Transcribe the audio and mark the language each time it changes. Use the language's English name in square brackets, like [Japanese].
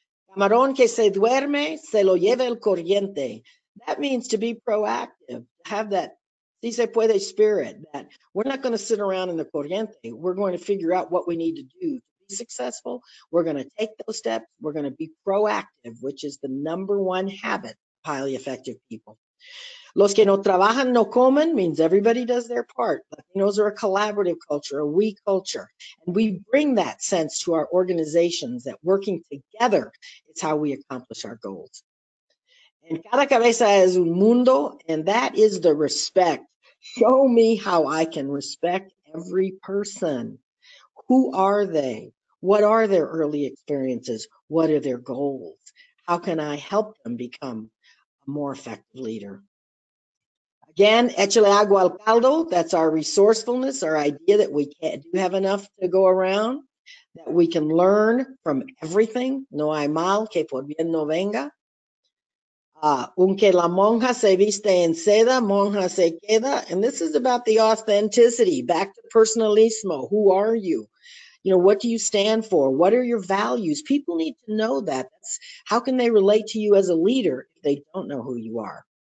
[Spanish] Camarón que se duerme, se lo lleva el corriente. [English] That means to be proactive, have that [Spanish] si se puede [English] spirit, that we're not going to sit around in the corriente. We're going to figure out what we need to do successful. We're going to take those steps. We're going to be proactive, which is the number one habit of highly effective people. [Spanish] Los que no trabajan no comen [English] means everybody does their part. Latinos are a collaborative culture, a we culture. And we bring that sense to our organizations, that working together is how we accomplish our goals. And [Spanish] cada cabeza es un mundo, [English] and that is the respect. Show me how I can respect every person. Who are they? What are their early experiences? What are their goals? How can I help them become a more effective leader? Again, [Spanish] échale agua al caldo, [English] that's our resourcefulness, our idea that we do have enough to go around, that we can learn from everything. [Spanish] No hay mal que por bien no venga. Aunque la monja se viste en seda, monja se queda. [English] And this is about the authenticity, back to personalismo. Who are you? You know, what do you stand for? What are your values? People need to know that. How can they relate to you as a leader if they don't know who you are?